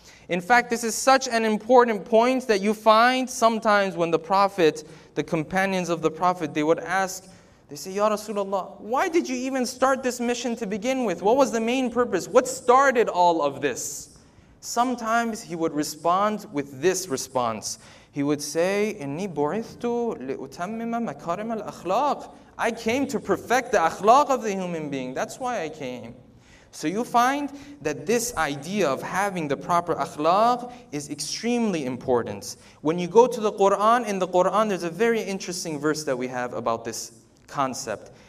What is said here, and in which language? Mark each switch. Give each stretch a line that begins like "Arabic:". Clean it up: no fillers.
English: In fact, this is such an important point that you find sometimes when the Prophet, the companions of the Prophet, they would ask, they say, Ya Rasulullah, why did you even start this mission to begin with? What was the main purpose? What started all of this? Sometimes he would respond with this response.
Arabic: He would say, إِنِّي بُعِثْتُ لِأُتَمِّمَ مَكَارِمَ الْأَخْلَاقِ.
English: I came to perfect the akhlaq of the human being. That's why I came. So you find that this idea of having the proper akhlaq is extremely important. When you go to the Qur'an, in the Qur'an there's a very interesting verse that we have about this concept.